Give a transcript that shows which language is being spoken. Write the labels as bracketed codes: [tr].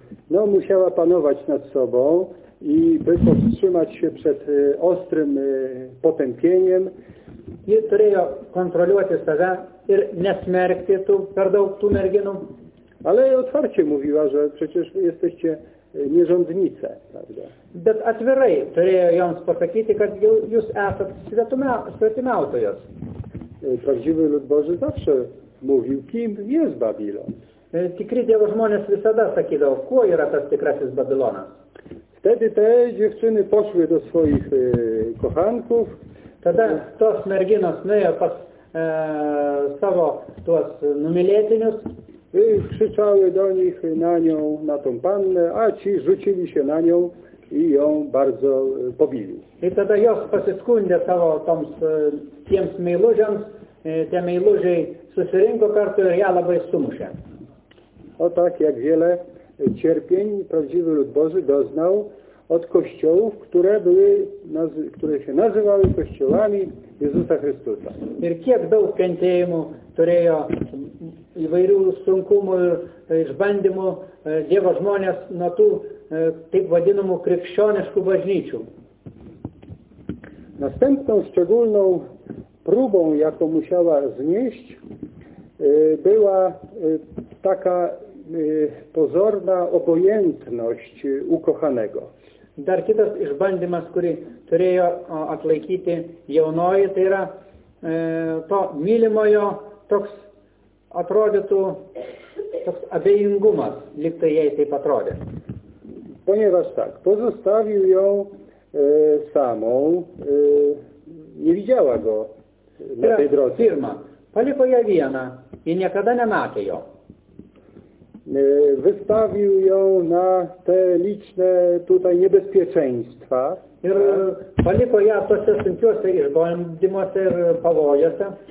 [pl] No, musiała panować nad sobą i by powstrzymać się przed ostrym potępieniem. [lt] Ji turėjo kontroliuoti save ir nesmerkti tu per daug tų merginų. [pl] Ale otwarcie mówiła, że przecież jesteście nierządnice, prawda? [lt] Bet atvirai turėjo joms pasakyti, kad jūs esat svetimautojos. [pl] Prawdziwy lud Boży zawsze mówił, kim jest Babilon. [lt] Tikri Dievo žmonės visada sakydavo, kuo yra tas tikrasis Babilonas. [pl] Wtedy te dziewczyny poszły do swoich kochanków. [lt] Tada tos merginos nuėjo pas savo tuos numylėtinius. [pl] I krzyczały do nich, na nią, na tą pannę, a ci rzucili się na nią i ją bardzo pobili. [lt] I tada jos pasiskundė savo toms tiems meilužiams, tie meilužiai susirinko kartu ir ją labai sumušė. [pl] O tak, jak wiele cierpień prawdziwy lud Boży doznał od kościołów, które były, które się nazywały kościołami Jezusa Chrystusa. [lt] Ir kiek daug kentėjimų turėjo įvairių sunkumų ir išbandymų Dievo žmonės nuo tų taip vadinamų krikščioniškų bažnyčių. [pl] Następną szczególną próbą, jaką musiała znieść, była taka pozorna obojętność ukochanego. [lt] Dar kitas išbandymas, kurį turėjo atlaikyti jaunoji, tai yra to mylimojo toks atrodytų toks abejingumas, lyg tai jai taip atrodė. [pl] Ponieważ tak, pozostawił ją samą, nie widziała go na tej drodze. [lt] Pirma, paliko ją vieną i niekada nematė jo. [pl] Wystawił ją na te liczne tutaj niebezpieczeństwa. [lt] Ir paliko ją tose sunkiose išbandymuose ir pavojose.